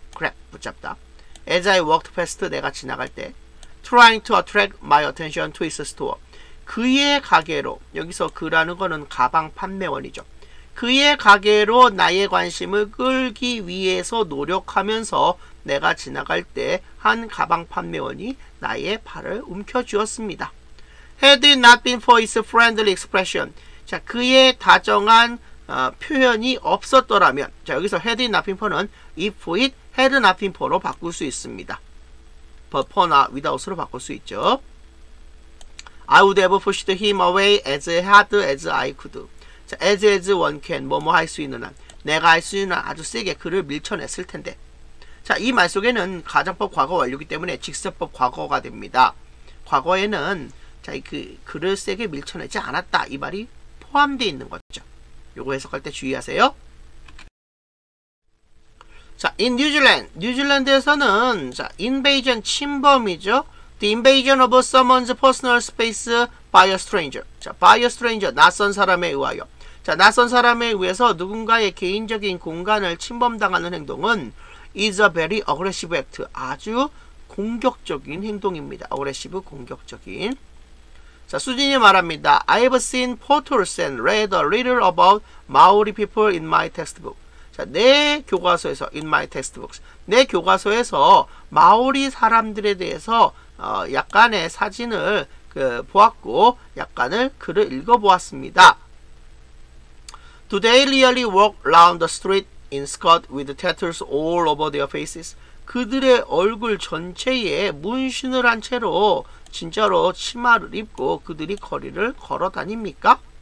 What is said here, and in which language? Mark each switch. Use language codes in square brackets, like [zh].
[en] grab, [ko] 붙잡다. [en] As I walked past, [ko] 내가 지나갈 때, [en] trying to attract my attention to his store. [ko] 그의 가게로, 여기서 그라는 거는 가방 판매원이죠. 그의 가게로 나의 관심을 끌기 위해서 노력하면서 내가 지나갈 때 한 가방 판매원이 나의 팔을 움켜쥐었습니다. [en] Had it not been for his friendly expression. [ko] 자, 그의 다정한 표현이 없었더라면, 자, 여기서 [en] had it not been for [ko] 는 [en] if it had not been for [ko] 로 바꿀 수 있습니다. but for나 without으로 바꿀 수 있죠. [en] I would have pushed him away as hard as I could. [ko] 자, as one can, 뭐뭐 할 수 있는 한. 내가 할 수 있는 한 아주 세게 그를 밀쳐냈을 텐데. 자, 이 말 속에는 가정법 과거 완료기 때문에 직접법 과거가 됩니다. 과거에는 자, 그 글을 세게 밀쳐내지 않았다. 이 말이 포함되어 있는 거죠. 요거 해석할 때 주의하세요. 자, in New Zealand. 뉴질랜드에서는 자, invasion 침범이죠. [en] The invasion of someone's personal space by a stranger. [ko] 자, by a stranger, 낯선 사람에 의하여. 자, 낯선 사람에 의해서 누군가의 개인적인 공간을 침범당하는 행동은 [en] is a very aggressive act. [ko] 아주 공격적인 행동입니다. aggressive, 공격적인. 자, 수진이 말합니다. [en] I've seen portals and read a little about Maori people in my textbook. [ko] 자, 내 교과서에서, [en] in my textbooks. [ko] 내 교과서에서 마오리 사람들에 대해서 약간의 사진을 보았고 약간을 글을 읽어보았습니다. [en] Do they really walk around the street in skirt with tattoos all over their faces? [ko] 그들의 얼굴 전체에 문신을 한 채로 진짜로 치마를 입고 그들이 거리를 걸어 다닙니까?